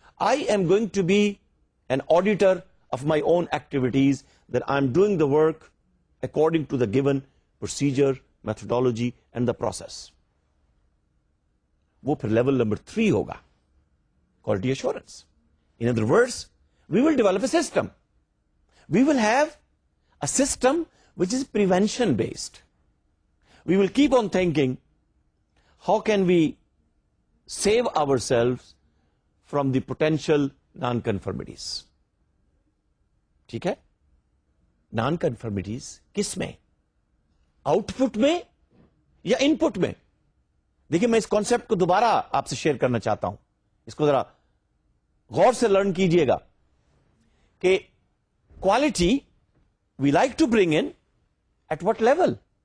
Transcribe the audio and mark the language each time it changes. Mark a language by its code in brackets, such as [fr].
[en] I am going to be an auditor of my own activities, that I am doing the work according to the given procedure, methodology and the process. [ur] وہ پھر level number 3 ہوگا, quality assurance. [en] In other words we will develop a system, we will have a system which is prevention based. We will keep on thinking, how can we save ourselves from the potential non-conformities? [ur] ٹھیک ہے, non-conformities کس میں, output میں یا input میں؟ دیکھیں میں اس concept کو دوبارہ آپ سے share کرنا چاہتا ہوں, اس کو ذرا غور سے learn کیجئے گا کہ [en] quality we like to bring in at what level.